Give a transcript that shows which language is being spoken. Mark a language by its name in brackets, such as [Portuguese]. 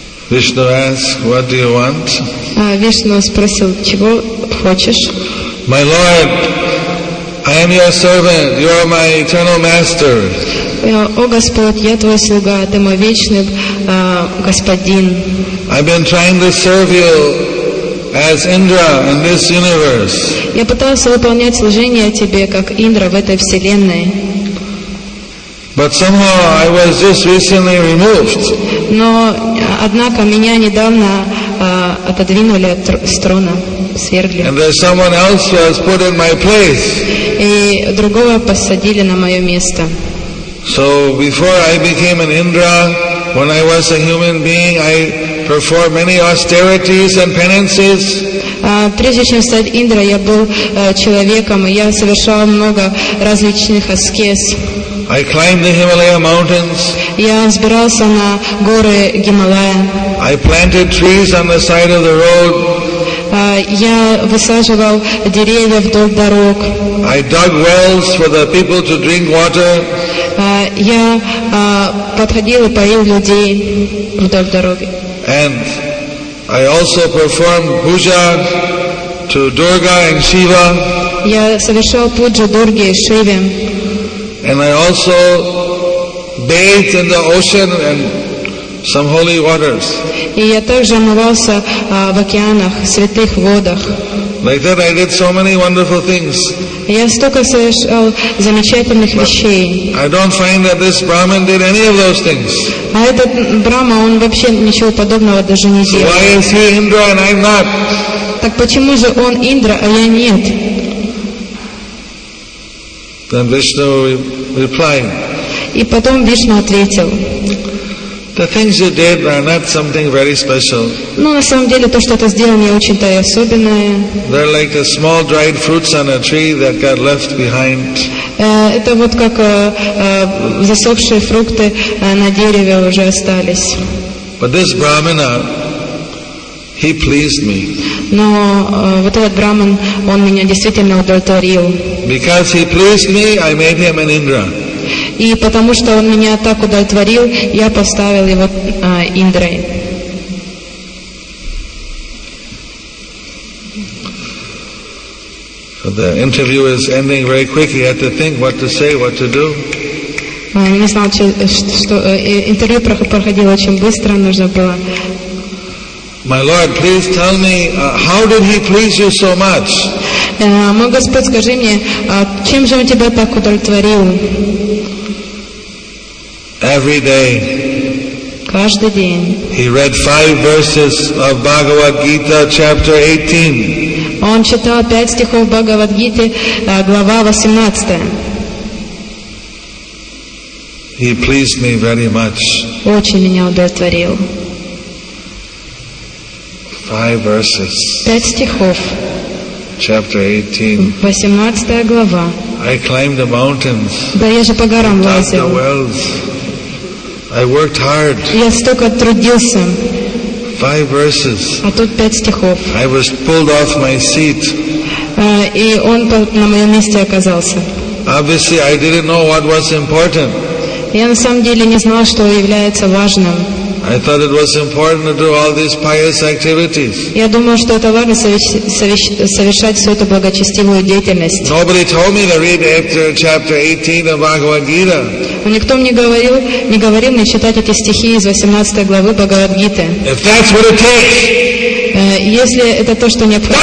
[English] Vishnu asked, "What do you want?" [Russian] Vishnu спросил, чего хочешь? [English] My Lord, I am your servant, you are my eternal master. [Russian] О Господь, я твой слуга, ты мой вечный господин. [English] I've been trying to serve you as Indra in this universe. [Russian] Я пытался выполнять служение тебе как Индра в этой вселенной. [English] But somehow I was just recently removed. [Russian] Но однако меня недавно отодвинули от трона. [English] And there's someone else who has put in my place. [Russian] И другого посадили на мое место. [English] So before I became an Indra, when I was a human being, I performed many austerities and penances. [Russian] Прежде чем стать Индра, я был человеком, и я совершал много различных аскез. [English] I climbed the Himalaya mountains. [Russian] Я взбирался на горы Гималая. [English] I planted trees on the side of the road. [Russian] Я высаживал деревья вдоль дорог. [English] I dug wells for the people to drink water. [Russian] Я подходил и поил людей вдоль дороги. [English] And I also performed puja to Durga and Shiva. [Russian] Я совершал пуджу Дурге и Шиве. [English] And I also bathed in the ocean and some holy waters. [Russian] И я также омывался в океанах, святых водах. [English] Like that, I did so many wonderful things. [Russian] Я столько совершал замечательных вещей. [English] I don't find that this Brahman did any of those things. [Russian] А этот Брама, он вообще ничего подобного даже не делал. [English] Why is he Indra and I'm not? [Russian] Так почему же он Индра, а я нет? [English] Then Vishnu replied. [Russian] И потом Вишну ответил. [English] The things you did are not something very special. [Russian] Ну, на самом деле, то, что ты сделал, не очень-то и особенное. [English] They're like the small dried fruits on a tree that got left behind. [Russian] Это вот как засохшие фрукты на дереве уже остались. [English] But this Brahmana, he pleased me. [Russian] Но вот этот Браман, он меня действительно удовлетворил. [English] Because he pleased me, I made him an Indra. [Russian] И потому что он меня так удовлетворил, я поставил его Индрой. [English] So the interview is ending very quickly. You have to think what to say, what to do. [Russian] Не знал, что интервью проходило очень быстро, нужно было. [English] My Lord, please tell me, how did he please you so much? [Russian] Мой Господь, скажи мне, чем же он тебя так удовлетворил? [English] Every day. [Russian] Каждый день. [English] He read 5 verses of Bhagavad Gita, chapter 18. [Russian] Он читал 5 стихов Бхагавад Гиты, глава 18. [English] He pleased me very much. [Russian] Очень меня удовлетворил. [English] 5 verses. [Russian] 5 стихов. [English] Chapter 18. [Russian] 18 глава. [English] I climbed the mountains. [Russian] Да я же по горам лазил. [English] The wells. I worked hard. [Russian] Я столько трудился. [English] 5 verses. [Russian] А тут 5 стихов. [English] I was pulled off my seat. [Russian] И он на моем месте оказался. [English] Obviously, I didn't know what was important. [Russian] Я на самом деле не знал, что является важным. [English] I thought it was important to do all these pious activities. [Russian] Я думал, что это важно совершать всю эту благочестивую деятельность. [English] Nobody told me to read after chapter 18 of Bhagavad Gita. [Russian] Но никто мне не говорил мне читать эти стихи из 18 главы Бхагавад Гиты. [English] If that's what it takes. [Russian] Если это то, что необходимо,